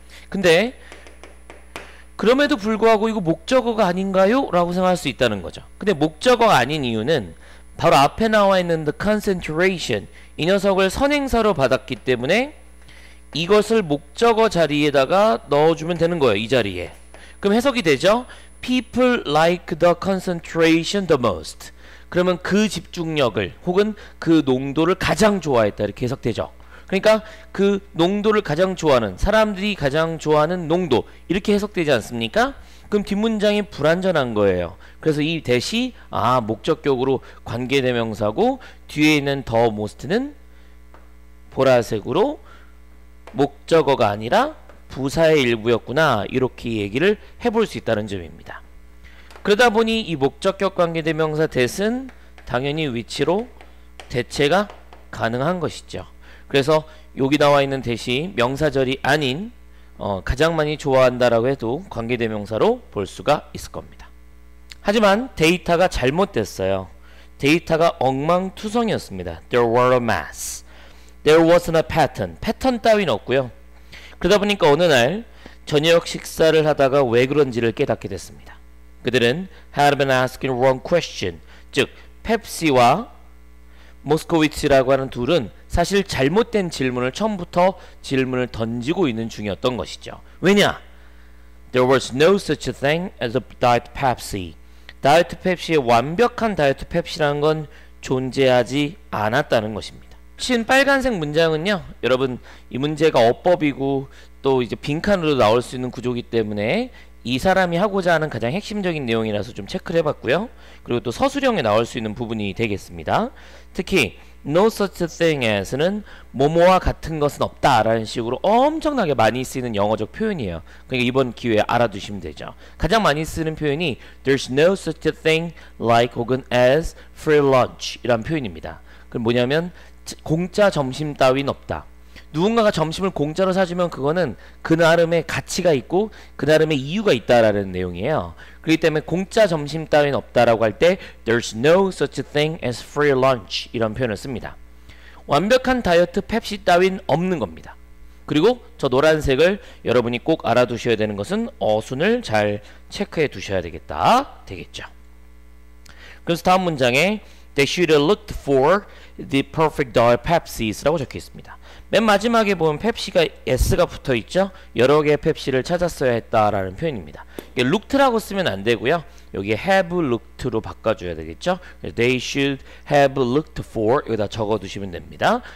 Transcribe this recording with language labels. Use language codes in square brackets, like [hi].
[ko] 근데 그럼에도 불구하고 이거 목적어가 아닌가요? 라고 생각할 수 있다는 거죠. 근데 목적어가 아닌 이유는 바로 앞에 나와 있는 [en] the concentration, [ko] 이 녀석을 선행사로 받았기 때문에 이것을 목적어 자리에다가 넣어주면 되는 거예요. 이 자리에. 그럼 해석이 되죠? [en] People like the concentration the most. [ko] 그러면 그 집중력을 혹은 그 농도를 가장 좋아했다. 이렇게 해석되죠. 그러니까 그 농도를 가장 좋아하는, 사람들이 가장 좋아하는 농도, 이렇게 해석되지 않습니까? 그럼 뒷문장이 불완전한 거예요. 그래서 이 대시, 아, 목적격으로 관계대명사고 뒤에 있는 [en] the most [ko] 는 보라색으로 목적어가 아니라 부사의 일부였구나, 이렇게 얘기를 해볼 수 있다는 점입니다. 그러다 보니 이 목적격 관계대명사 that은 당연히 위치로 대체가 가능한 것이죠. 그래서 여기 나와 있는 대시 명사절이 아닌 가장 많이 좋아한다라고 해도 관계대명사로 볼 수가 있을 겁니다. 하지만 데이터가 잘못됐어요. 데이터가 엉망투성이었습니다. [en] There were a mass. There wasn't a pattern. [ko] 패턴 따윈 없고요. 그러다 보니까 어느 날 저녁 식사를 하다가 왜 그런지를 깨닫게 됐습니다. 그들은 [en] had been asking wrong question. [ko] 즉 펩시와 모스코비치라고 하는 둘은 사실 잘못된 질문을 처음부터 질문을 던지고 있는 중이었던 것이죠. 왜냐? [en] There was no such a thing as a diet Pepsi. [ko] 다이어트 펩시의 완벽한 다이어트 펩시라는 건 존재하지 않았다는 것입니다. 훨씬 빨간색 문장은요, 여러분 이 문제가 어법이고 또 이제 빈칸으로 나올 수 있는 구조이기 때문에 이 사람이 하고자 하는 가장 핵심적인 내용이라서 좀 체크를 해봤고요. 그리고 또 서술형에 나올 수 있는 부분이 되겠습니다. 특히 [en] no such thing as [ko] 는 뭐뭐와 같은 것은 없다 라는 식으로 엄청나게 많이 쓰이는 영어적 표현이에요. 그러니까 이번 기회에 알아두시면 되죠. 가장 많이 쓰는 표현이 [en] there's no such thing like [ko] 혹은 [en] as free lunch [ko] 이란 표현입니다. 그럼 뭐냐면 공짜 점심 따윈 없다. 누군가가 점심을 공짜로 사주면 그거는 그 나름의 가치가 있고 그 나름의 이유가 있다라는 내용이에요. 그렇기 때문에 공짜 점심 따윈 없다라고 할 때 [en] There's no such thing as free lunch [ko] 이런 표현을 씁니다. 완벽한 다이어트 펩시 따윈 없는 겁니다. 그리고 저 노란색을 여러분이 꼭 알아두셔야 되는 것은 어순을 잘 체크해 두셔야 되겠다 되겠죠. 그래서 다음 문장에 [en] They should have looked for the perfect diet Pepsi's [ko] 라고 적혀 있습니다. 맨 마지막에 보면 펩시가 S가 붙어 있죠. 여러 개의 펩시를 찾았어야 했다라는 표현입니다. 이게 looked라고 쓰면 안 되고요. 여기 have looked로 바꿔줘야 되겠죠. [en] They should have looked for [ko] 여기다 적어두시면 됩니다.